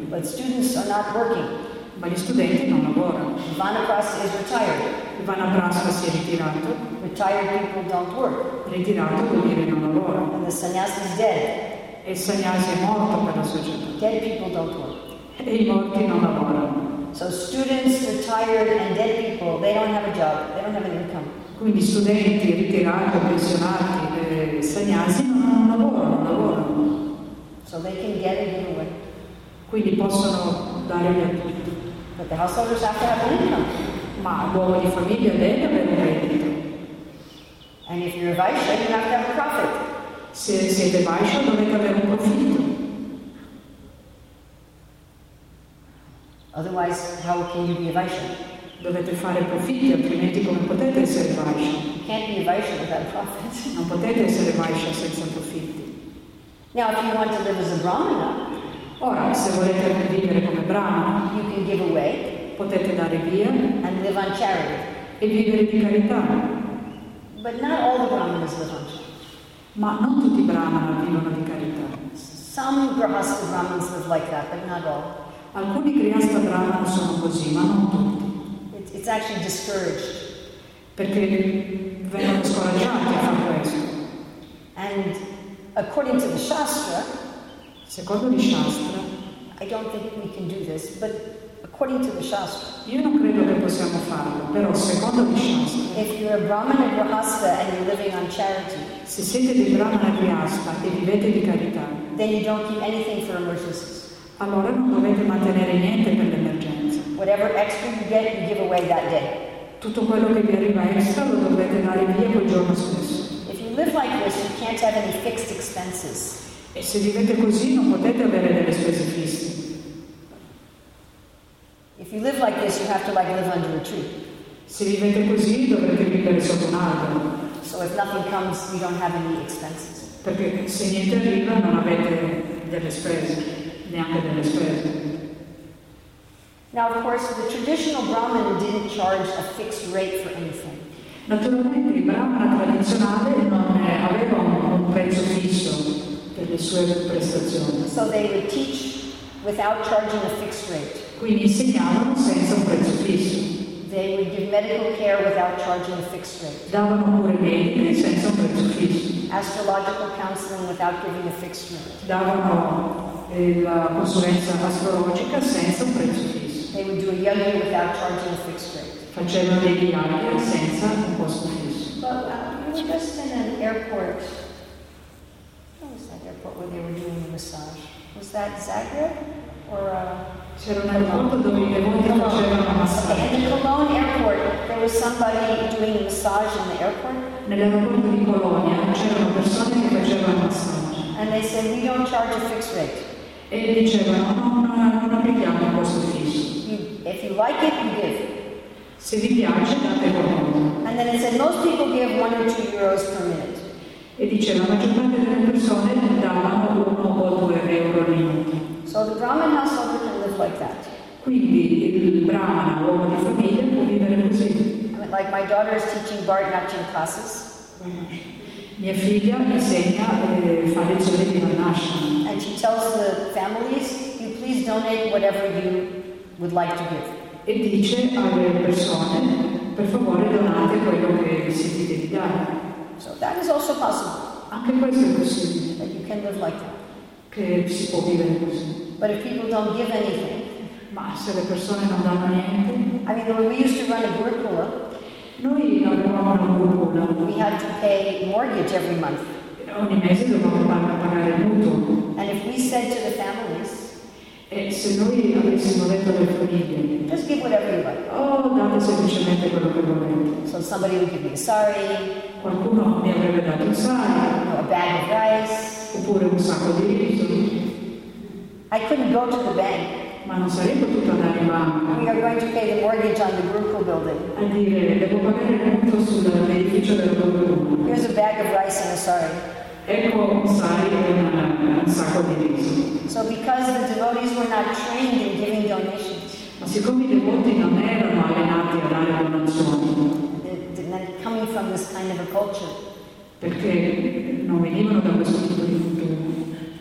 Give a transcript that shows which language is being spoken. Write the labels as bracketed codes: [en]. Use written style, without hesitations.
[en] But students are not working. [it] Ma gli studenti non lavorano. [en] Vanaprastha is retired. [it] Vanaprastha si è ritirato. [en] Retired people don't work. [it] Ritirato vuol dire non lavora. [en] And the sannyasi is dead. [it] E il sannyasi è morto per la società. [en] Dead people don't work. [it] E i morti non lavorano. [en] So students, retired and dead people, they don't have a job. They don't have an income. [it] Quindi studenti, ritirati, pensionati, sannyasi non lavorano, non lavorano. [en] So they can get it anyway. [it] Quindi possono dare gli appunti. [en] But the householders have to have an income. [it] Ma l'uomo di famiglia deve avere un reddito. [en] And if you're a Vaishya, you have to have a profit. [it] Se siete Vaishya, dovete avere un profitto. [en] Otherwise, how can you be a Vaishya? [it] Dovete fare profitti, altrimenti come potete essere Vaishya? [en] You can't be a Vaishya without a profit. [it] Non potete essere Vaishya senza profitti. [en] Now, if you want to live as a Brahmana, [it] ora se volete vivere come Brahmana, [en] you can give away, [it] potete dare via, [en] and live on charity, [it] e vivere di carità. [en] But not all the Brahmanas live on charity. [it] Ma non tutti i Brahmana vivono di carità. [en] Some Grahastha Brahmins live like that, but not all. [it] Alcuni Grihastha Brahmana sono così, ma non tutti. [en] It's actually discouraged. [it] Perché vengono scoraggiati a fare questo. [en] And according to the Shastra, [it] secondo il Shastra, [en] I don't think we can do this, but according to the Shastra, [it] io non credo che possiamo farlo, però secondo il Shastra, [en] if you're a Brahmana and Grahastha and you're living on charity, [it] se siete di Brahmana e Grahastha e vivete di carità, [en] then you don't keep anything for emergencies. [it] Allora non dovete mantenere niente per l'emergenza. [en] Whatever extra you get, you give away that day. [it] Tutto quello che vi arriva extra lo dovete dare via quel giorno stesso. [en] Live like this, you can't have any fixed expenses. [it] E se vivete così, non potete avere delle spese fisse. [en] If you live like this, you have to like live under a tree. [it] Se vivete così, dovrete vivere sotto un albero. [en] So if nothing comes, you don't have any expenses. [it] Perché se niente arriva, non avete delle spese, neanche delle spese. [en] Now, of course, the traditional Brahmin didn't charge a fixed rate for anything. [it] Naturalmente il brahmana tradizionale non aveva un prezzo fisso per le sue prestazioni. [en] So they would teach without charging a fixed rate. [it] Quindi insegnavano senza un prezzo fisso. [en] They would give medical care without charging a fixed rate. [it] Davano cure mediche senza un prezzo fisso. [en] Astrological counseling without giving a fixed rate. [it] Davano la consulenza astrologica senza un prezzo fisso. [en] They would do a yoga without charging a fixed rate. [it] Facendo dei viaggi senza un posto fisso. [en] But we were just in an airport. What was that airport where they were doing the massage? Was that Zagreb or? [it] C'era un aeroporto dove i devoti facevano massaggio. [en] In Cologne airport, there was somebody doing massage in the airport. [it] Nell'aeroporto di Colonia c'erano persone che facevano massaggio. [en] And they said we don't charge a fixed rate. [it] E diceva, non applichiamo questo fisso. [en] If you like it, you give. [it] Se vi piace, date qualcosa. [en] And then he said, most people give 1 or 2 euros per minute. [it] E diceva, la maggior parte delle persone danno 1 o 2 euro al minuto. [en] So the Brahmin household can live like that. [it] Quindi il Brahmana, l'uomo di famiglia, può vivere così. [en] Like my daughter is teaching Bharatanatyam classes. [it] Mia figlia mi insegna e fa lezioni di Varnashram. [en] And she tells the families, you please donate whatever you would like to give. [it] E dice alle persone, per favore donate quello che si deve dare. [en] So that is also possible. [it] Anche questo è possibile. [en] That you can live like that. [it] Che si può vivere così. [en] But if people don't give anything. [it] Ma se le persone non danno niente. [en] I mean, when we used to run a gurukula, [it] noi avevamo una gurukula. [en] We had to pay mortgage every month. [it] Ogni mese dovevamo pagare il mutuo. [en] And if we said to the families, [it] e se noi avessimo detto alle famiglie, [en] just give whatever you like. [it] Oh, date semplicemente quello che volete. [en] So somebody would give me a sari. [it] Qualcuno mi avrebbe dato un sari. [en] A bag of rice. [it] Oppure un sacco di riso. [en] I couldn't go to the bank. [it] Ma non sarei potuto andare in banca. [en] We are going to pay the mortgage on the Gurukul building. [it] A dire, devo pagare il mutuo sull'edificio del Gurukul. [en] Here's a bag of rice and a sari. [it] Ecco un sari e un sacco di riso. [en] So because the devotees were not trained in giving donations. [it] Ma siccome i devoti non erano allenati a dare donazioni. [en] Not coming from this kind of a culture. [it] Perché non venivano da questo tipo di cultura.